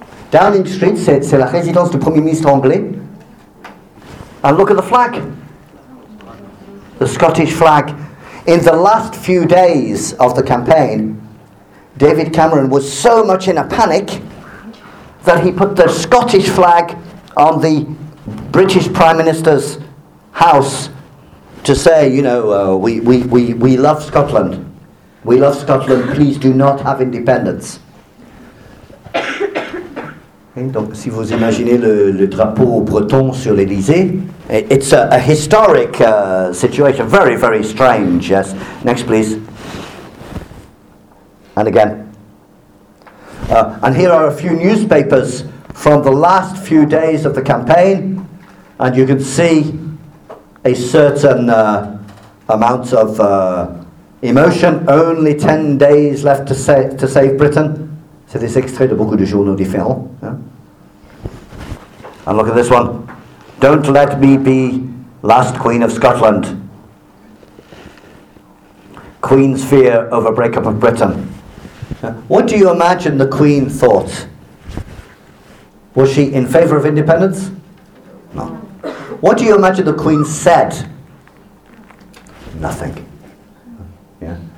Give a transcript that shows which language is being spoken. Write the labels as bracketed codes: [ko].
[fr] Downing Street, c'est la résidence du Premier ministre anglais. [en] And look at the flag. The Scottish flag. In the last few days of the campaign, David Cameron was so much in a panic that he put the Scottish flag on the British Prime Minister's house to say, you know, we love Scotland. We love Scotland, please do not have independence. [fr] Donc, si vous imaginez le drapeau breton sur l'Elysée, [en] it's a historic situation, very, very strange. Yes. Next, please. And again. And here are a few newspapers from the last few days of the campaign, and you can see a certain amount of emotion. Only 10 days left to save Britain. [fr] C'est des extraits de beaucoup de journaux différents. [en] And look at this one. Don't let me be last Queen of Scotland. Queen's fear over breakup of Britain. What do you imagine the Queen thought? Was she in favour of independence? No. What do you imagine the Queen said? Nothing. Yeah.